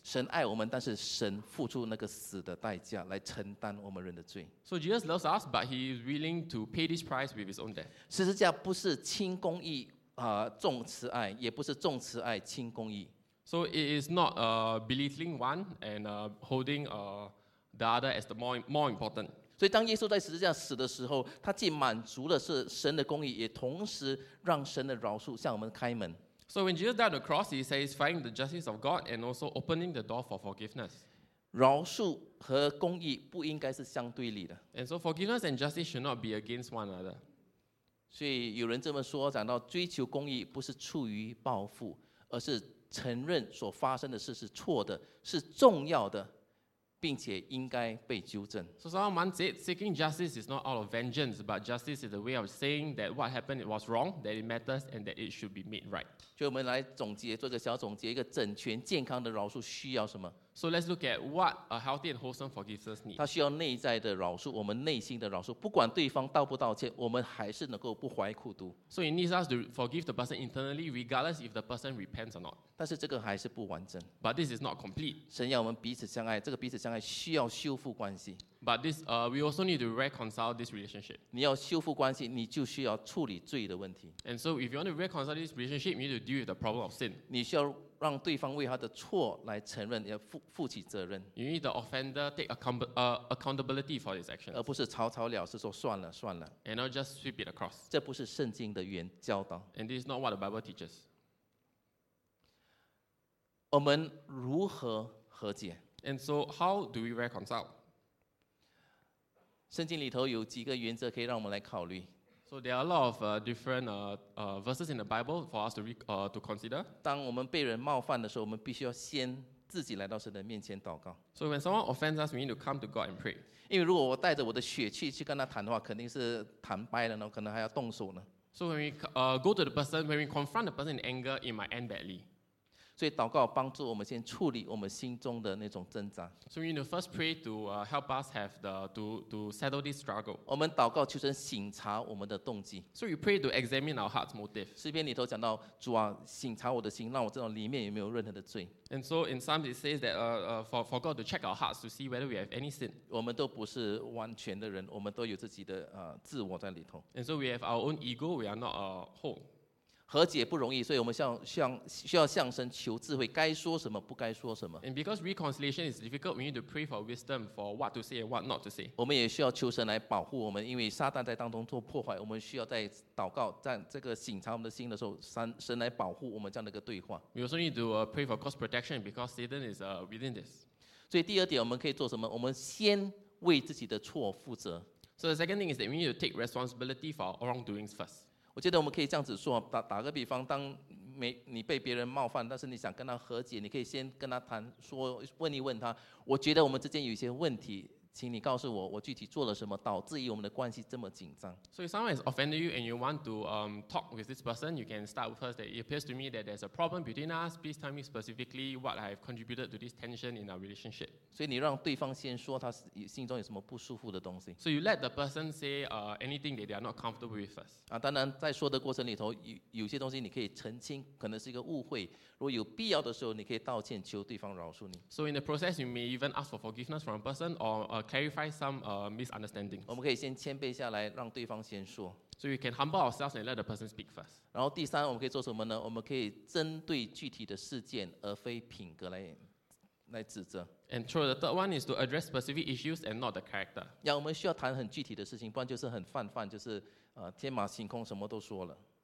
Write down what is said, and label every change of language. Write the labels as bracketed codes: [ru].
[zh] 神爱我们，但是神付出那个死的代价来承担我们人的罪。 [en] So Jesus loves us, but he is willing to pay this price with his own death. [zh] 十字架不是轻公义重慈爱，也不是重慈爱轻公义。 [en] So it is not belittling one and holding the other as the more important. [zh] 所以当耶稣在十字架死的时候，他既满足了是神的公义，也同时让神的饶恕向我们开门。 [en] So when Jesus died on the cross, he satisfying the justice of God and also opening the door for forgiveness. [zh] 饶恕和公义不应该是相对立的。 [en] And so forgiveness and justice should not be against one another. [zh] 所以有人这么说，讲到追求公义不是出于报复，而是承认所发生的事是错的，是重要的。并且应该被纠正。 [en] So someone said, seeking justice is not out of vengeance, but justice is a way of saying that what happened was wrong, that it matters, and that it should be made right. [zh] 就我们来总结，做个小总结，一个整全健康的饶恕需要什么 [en] ？So let's look at what a healthy and wholesome forgiveness needs. [zh] 它需要内在的饶恕，我们内心的饶恕，不管对方道不道歉，我们还是能够不怀苦读。 [en] So it needs us to forgive the person internally, regardless if the person repents or not. [zh] 但是这个还是不完整。 [en] But this is not complete. [zh] 神要我们彼此相爱，这个彼此相爱需要修复关系。 [en] But this, we also need to reconcile this relationship. [zh] 你要修复关系，你就需要处理罪的问题。 [en] And so, if you want to reconcile this relationship, you need to deal with the problem of sin. [zh] 你需要让对方为他的错来承认，要负起责任。 [en] You need the offender take accountability for his actions. [zh] 而不是草草了事，说算了算了。 [en] And not just sweep it across. [zh] 这不是圣经的原教导。 [en] And this is not what the Bible teaches. [zh] 我们如何和解 [en] ？And so, how do we reconcile? [zh] 圣经里头有几个原则可以让我们来考虑。 [en] So there are a lot of different verses in the Bible for us to consider. [zh] 当我们被人冒犯的时候，我们必须要先自己来到神的面前祷告。 [en] So when someone offends us, we need to come to God and pray. [zh] 因为如果我带着我的血气去跟他谈的话，肯定是谈掰了，可能还要动手呢。 [en] So when we go to the person, when we confront the person in anger, it might end badly. [zh] 所以祷告帮助我们先处理我们心中的那种挣扎。 [en] So we need to first pray to help us have the to settle this struggle. [zh] 我们祷告求神省察我们的动机。 [en] So we pray to examine our heart's motive. [zh] 诗篇里头讲到主啊，省察我的心，让我知道里面有没有任何的罪。 [en] And so in Psalms it says that for God to check our hearts to see whether we have any sin. [zh] 我们都不是完全的人，我们都有自己的自我在里头。 [en] And so we have our own ego. We are not whole. [zh] 和解不容易，所以我们需要向神求智慧，该说什么，不该说什么。 [en] And because reconciliation is difficult, we need to pray for wisdom for what to say and what not to say. [zh] 我们也需要求神来保护我们，因为撒旦在当中做破坏，我们需要在祷告，在这个省察我们的心的时候，神来保护我们这样的一个对话。 [en] We also need to pray for cross protection because Satan is within this. [zh] 所以第二点我们可以做什么？我们先为自己的错负责。 [en] So the second thing is that we need to take responsibility for our wrongdoings first. [zh] 我觉得我们可以这样子说， 打个比方，当你被别人冒犯，但是你想跟他和解，你可以先跟他谈，说问一问他，我觉得我们之间有一些问题，请你告诉我，我具体做了什么，导致于我们的关系这么紧张。 [en] So if someone has offended you and you want to talk with this person, you can start with us that it appears to me that there's a problem between us. Please tell me specifically what I have contributed to this tension in our relationship. [zh] 所以你让对方先说他心中有什么不舒服的东西。 [en] So you let the person say anything that they are not comfortable with us. [zh] 当然在说的过程里头，有些东西你可以澄清，可能是一个误会。如果有必要的时候，你可以道歉，求对方饶恕你。 [en] So in the process, you may even ask for forgiveness from a person or clarify some misunderstandings. [zh] 我们可以先谦卑下来，让对方先说。 [en] So we can humble ourselves and let the person speak first. [zh] 然后第三，我们可以做什么呢？我们可以针对具体的事件，而非品格来指责。 [en] And so the third one is to address specific issues and not the character. [zh] 要我们需要谈很具体的事情，不然就是很泛泛，就是天马行空，什么都说了。